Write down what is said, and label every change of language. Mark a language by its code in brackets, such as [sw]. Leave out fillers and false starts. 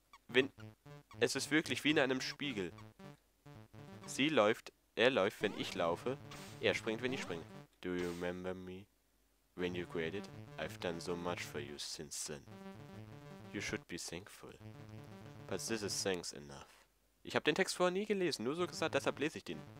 [de] Wenn es ist wirklich wie in einem Spiegel. Sie läuft, er läuft, wenn ich laufe, er springt, wenn ich springe. [en] Do you remember me? When you created, I've done so much for you since then. You should be thankful. But this is thanks enough. [de] Ich habe den Text vorher nie gelesen, nur so gesagt, deshalb lese ich den.